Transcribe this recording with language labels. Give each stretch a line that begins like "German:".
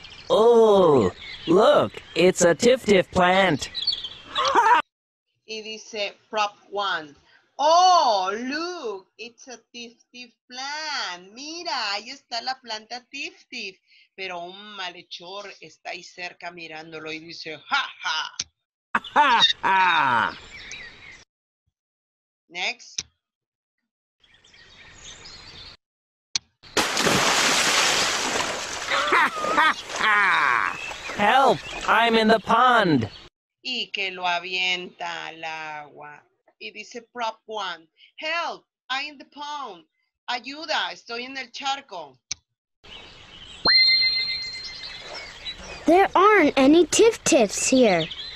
English: Oh, look, it's a tif-tif plant.
Spanish: Y dice prop one.
English: Oh, look, it's a tif-tif plant.
Spanish: Mira, ahí está la planta tif-tif. Pero un malhechor está ahí cerca mirándolo y dice, ¡ja, ja! ¡Ja, ja!
English: Next. ¡Ja, ja, ja! Help, I'm in the pond.
Spanish: Y que lo avienta al agua. Y dice
English: prop one, help, I'm in the pond.
Spanish: Ayuda, estoy en el charco.
English: There aren't any tif-tifs here.